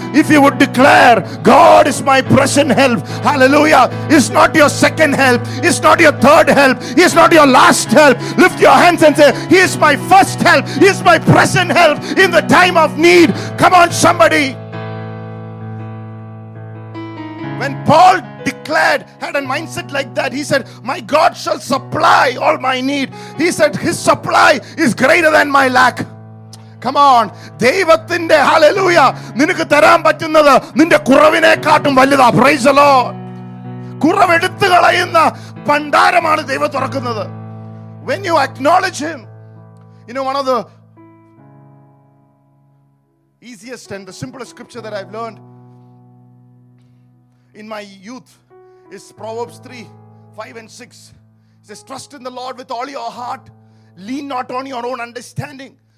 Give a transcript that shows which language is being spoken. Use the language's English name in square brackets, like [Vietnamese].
[English] If you would declare, God is my present help, hallelujah, it's not your second help, it's not your third help, it's not your last help, lift your hands and say, he is my first help, he is my present help in the time of need. Come on, somebody. When Paul declared, had a mindset like that, he said, my God shall supply all my need. He said, his supply is greater than my lack. Come on. ദൈവത്തിന്റെ hallelujah. [Malayalam] നിനക്ക് തരാൻ പറ്റുന്നത് നിന്റെ കുറവിനെക്കാട്ടും വലുതാ. [English] Praise the lord. [Malayalam] കുറവെടുത്തു കളയുന്ന ഭണ്ഡാരമാണ് ദൈവം തുറക്കുന്നത്. [English] When you acknowledge him, you know, one of the easiest and the simplest scripture that I've learned in my youth is Proverbs 3:5-6. It says, trust in the Lord with all your heart, lean not on your own understanding.